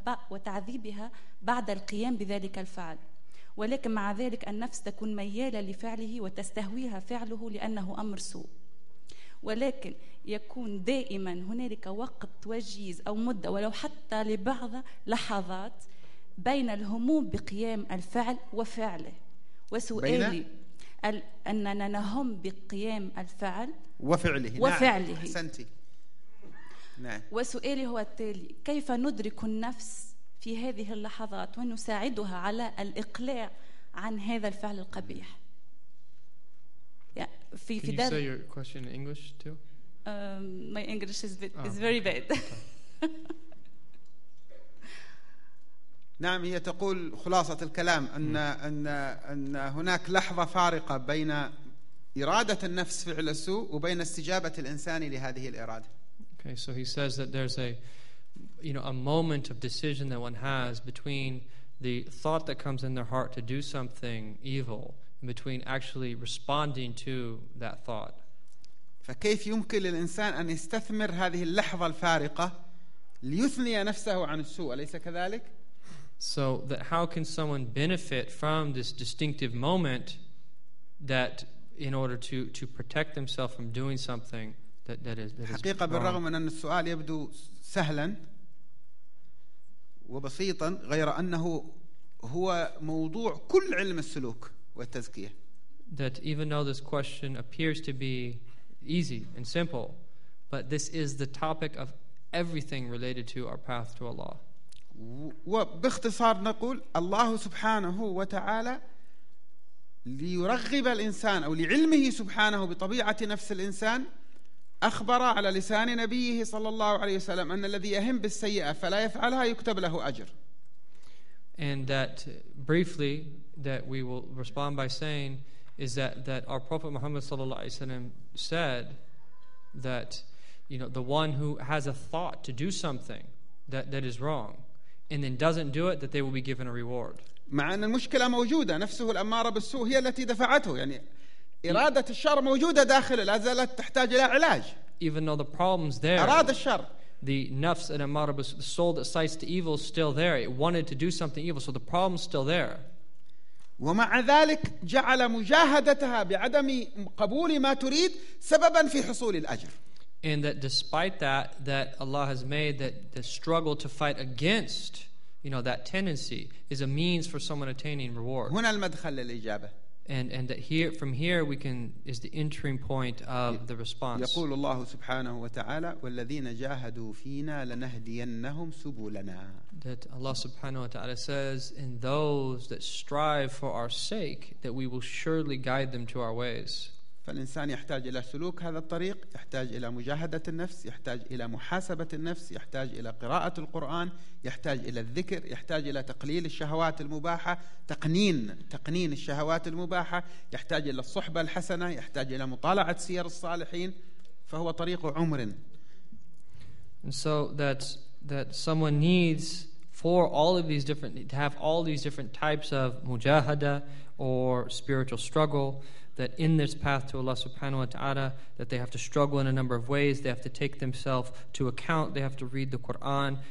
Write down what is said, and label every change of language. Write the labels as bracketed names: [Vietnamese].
[Arabic] وتعذيبها بعد القيام بذلك الفعل ولكن مع ذلك النفس تكون ميالة لفعله وتستهويها فعله لأنه أمر سوء ولكن يكون دائما هنالك وقت وجيز أو مدة ولو حتى لبعض لحظات بين الهموم بقيام الفعل وفعله وسؤالي أننا نهم بقيام الفعل وفعله وفعله نعم. حسنتي. نعم. وسؤالي هو التالي كيف ندرك النفس في هذه اللحظات ونساعدها على الإقلاع عن هذا الفعل القبيح [English] في Can في you say your question in English too? My English is very bad. [Arabic] نعم هي تقول خلاصة الكلام أن هناك لحظة فارقة بين إرادة النفس فعل السوء وبين استجابة الإنسان لهذه الإرادة. [English] Okay, so he says that there's a you know, a moment of decision that one has between the thought that comes in their heart to do something evil and between actually responding to that thought. [Arabic] فكيف يمكن للإنسان أن يستثمر هذه اللحظة الفارقة ليثني نفسه عن السوء أليس كذلك؟ [English] So that how can someone benefit from this distinctive moment that in order to protect themselves from doing something that is [Arabic] حقيقة بالرغم من أن السؤال يبدو سهلا وبسيطا غير أنه هو موضوع كل علم السلوك والتزكية. [English] That even though this question appears to be easy and simple, but this is the topic of everything related to our path to Allah. [Arabic] وباختصار نقول الله سبحانه وتعالى ليرغب الإنسان أو لعلمه سبحانه بطبيعة نفس الإنسان أخبر على لسان نبيه صلى الله عليه وسلم أن الذي يهم بالسيئة فلا يفعلها يكتب له أجر. [English] And that briefly that we will respond by saying is that our Prophet Muhammad sallallahu alaihi wasallam said that, you know, the one who has a thought to do something that is wrong and then doesn't do it, that they will be given a reward. [Arabic] مع أن المشكلة موجودة نفسه الأمارة بالسوء هي التي دفعته يعني إرادة الشر موجودة داخله لا زالت تحتاج إلى علاج. [English] Even though the problem's there. [Arabic] إرادة الشر. [English] The nafs and amara bis, the soul that cites to evil is still there. It wanted to do something evil, so the problem's still there. [Arabic] ومع ذلك جعل مجاهدتها بعدم قبول ما تريد سببا في حصول الأجر. [English] And that despite that Allah has made that the struggle to fight against, you know, that tendency is a means for someone attaining reward. [Arabic] هنا المدخل للإجابة. [English] And that here, from here, we can is the entering point of the response. [Arabic] يقول الله سبحانه وتعالى والذين جاهدوا فينا لنهدينهم سبلنا. [English] That Allah subhanahu wa ta'ala says, in those that strive for our sake, that we will surely guide them to our ways. [Arabic] فالإنسان يحتاج إلى سلوك هذا الطريق، يحتاج إلى مجاهدة النفس، يحتاج إلى محاسبة النفس، يحتاج إلى قراءة القرآن، يحتاج إلى الذكر، يحتاج إلى تقليل الشهوات المباحة، تقنين الشهوات المباحة، يحتاج إلى الصحبة الحسنة، يحتاج إلى مطالعة سير الصالحين، فهو طريق عمر. [English] And so that someone needs for all of these different to have all these different types of mujahada or spiritual struggle. That in this path to Allah subhanahu wa ta'ala, that they have to struggle in a number of ways. They have to take themselves to account. They have to read the Quran.